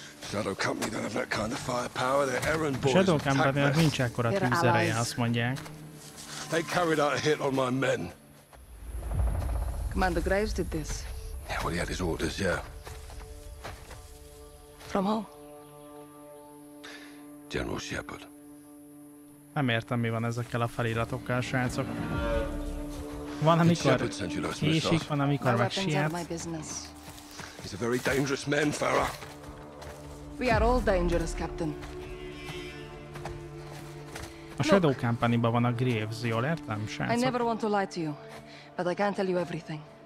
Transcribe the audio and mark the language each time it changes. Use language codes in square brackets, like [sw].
[en] Shadow Company don't have that kind of firepower. Their errand boys. [hu] Shadow Company nincs ekkora tűzereje, azt mondják. [en] They carried out a hit on my men. Commander Graves did this. Yeah, well, he had his orders, yeah. From who? General Shepard. [hu] Nem értem, mi van ezekkel a feliratokkal, srácok. Van, amikor késik, van, amikor meg siet. [en] He's a very dangerous man, Farrah. We are all dangerous, Captain. [hu] A Shadow Company-ban van a Graves, jól értem, srácok? [en] I never want to lie to you, but I can't tell you everything.